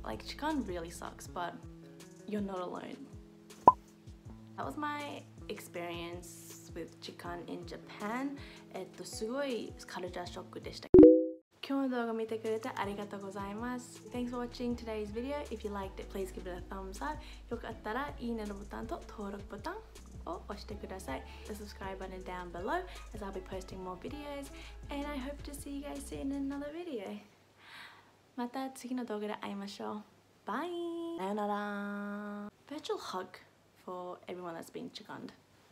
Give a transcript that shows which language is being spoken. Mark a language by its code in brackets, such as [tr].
[en] Like, chikan really sucks, but you're not alone. That was my experience with chikan in Japan. [ja] すごいカルチャーショックでした。今日の動画見てくれてありがとうございます。 [en] Thanks for watching today's video. If you liked it, please give it a thumbs up. [ja] よかったらいいねのボタンと登録ボタンを押してください。 [en] The subscribe button down below, as I'll be posting more videos. And I hope to see you guys soon in another video. [ja] また次の動画で会いましょう。バイ。さよなら。 [en] Virtual hug for everyone that's been chikaned.